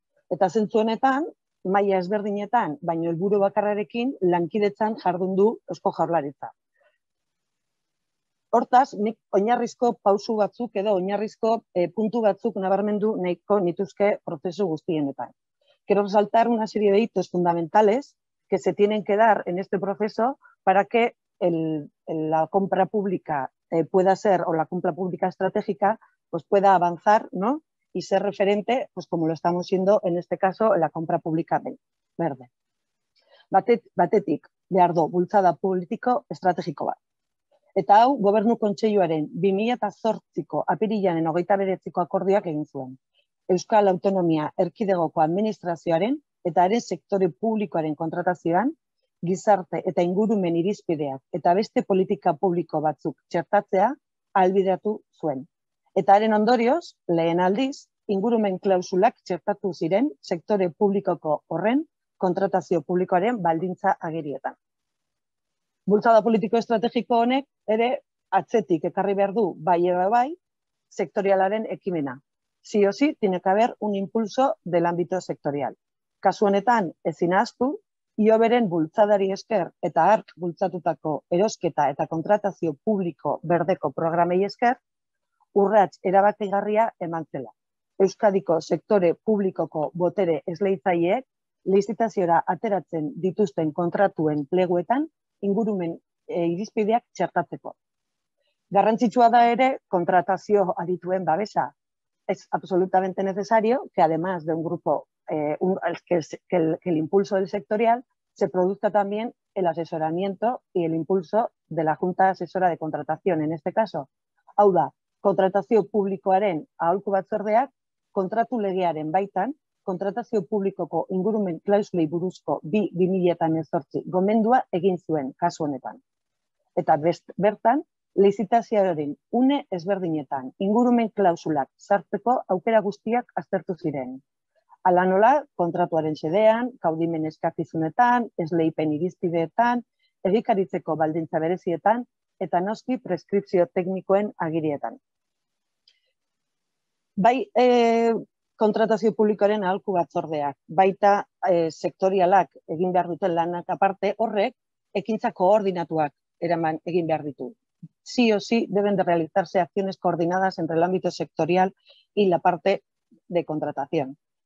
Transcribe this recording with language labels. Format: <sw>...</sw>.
<eu>Eta zentzu honetan, maila ezberdinetan, baino helburu bakarrarekin lankidetzan jardun du Eusko Jaurlaritza. Hortaz, nik oinarrizko pausu batzuk edo oinarrizko puntu batzuk nabarmendu nahiko nituzke prozesu guztienetan.</eu> <es>Quiero resaltar una serie de hitos fundamentales que se tienen que dar en este proceso para que la compra pública pueda ser, o la compra pública estratégica, pues pueda avanzar, ¿no? Y ser referente, pues como lo estamos siendo en este caso, en la compra pública verde.</es> <eu>Batetik, behar du bultzada politiko estrategiko bat. Eta hau, gobernu kontseiluaren 2008ko apirilaren 29ko akordioak egin zuen. Euskal Autonomia Erkidegoko Administrazioaren eta haren sektore publikoaren kontratazioan, gizarte eta ingurumen irizpideak eta beste politika publiko batzuk txertatzea ahalbideratu zuen. Eta haren ondorioz, lehen aldiz, ingurumen klausulak txertatu ziren sektore publikoko horren kontratazio publikoaren baldintza agerietan. Bultzada politiko estrategiko honek ere atzetik ekarri behar du bai edo bai sektorialaren ekimena.</eu> <es>Sí o sí, tiene que haber un impulso del ámbito sektorial.</es> <eu>Kasu honetan, ezin ahaztu, IOB-ren bultzadari esker eta ARK bultzatutako erosketa eta kontratazio publiko berdeko programei esker, urrats erabakigarria eman zela. Euskadiko sektore publikoko botere esleitzaileek lizitaziora ateratzen dituzten kontratuen pleguetan ingurumen irizpideak txertatzeko. Garrantzitsua da ere kontratazio adituen babesa.</eu> <es>Es absolutamente necesario que además de un grupo que el impulso del sectorial se produzca también el asesoramiento y el impulso de la Junta Asesora de Contratación en este caso.</es> <eu>Hau da, kontratazio publikoaren aholku batzordeak kontratu legearen baitan kontratazio publikoko ingurumen klausulei buruzko 2018 gomendua egin zuen kasu honetan. Eta bertan lizitazioaren une ezberdinetan ingurumen klausulak sartzeko aukera guztiak aztertu ziren. Hala nola, kontratuaren xedean, kaudimen eskakizunetan, esleipen irizpideetan, egikaritzeko baldintza berezietan, eta noski preskripzio teknikoen agirietan. Bai, kontratazio publikoaren aholku batzordeak, baita sektorialak egin behar duten lanak aparte, horrek ekintza koordinatuak eraman egin behar ditu.</eu> <es>Sí o sí deben de realizarse acciones coordinadas entre el ámbito sectorial y la parte de contratación.</es>